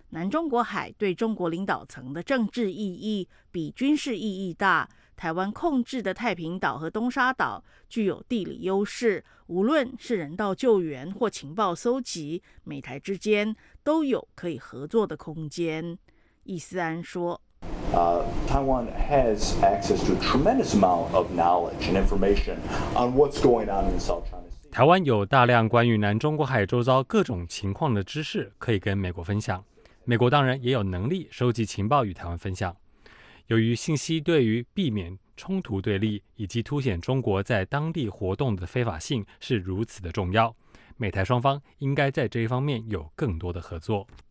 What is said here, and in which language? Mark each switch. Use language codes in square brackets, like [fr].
[zh] 南中国海对中国领导层的政治意义比军事意义大，台湾控制的太平岛和东沙岛具有地理优势，无论是人道救援或情报搜集，美台之间都有可以合作的空间。易思安说 [en] Taiwan has access to a tremendous amount of knowledge and information on what's going on in South China. [zh] 台湾有大量关于南中国海周遭各种情况的知识可以跟美国分享，美国当然也有能力收集情报与台湾分享。由于信息对于避免冲突对立以及凸显中国在当地活动的非法性是如此的重要，美台双方应该在这一方面有更多的合作。